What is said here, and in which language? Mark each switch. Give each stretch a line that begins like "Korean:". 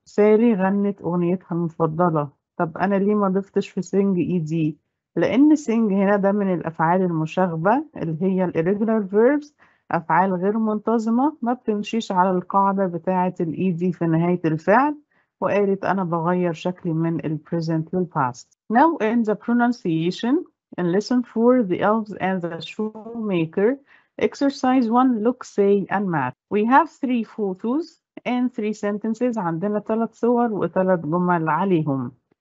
Arabic: Sally غنت أغنيتها المفضلة. طب أنا ليه ما ضفتش في sing ED؟ لأن sing هنا ده من الأفعال المشاغبة اللي هي الـ irregular verbs. أفعال غير منتظمة ما بتمشيش على القاعدة بتاعة الـ ED في نهاية الفعل. وقالت أنا بغير شكلي من الـ present للـ past.
English: Now in the pronunciation, in lesson 4, the elves and the shoemaker, exercise 1, look, say, and math. We have 3 photos and 3 sentences.
Arabic: عندنا 3 صور وثلاث جمل عليهم.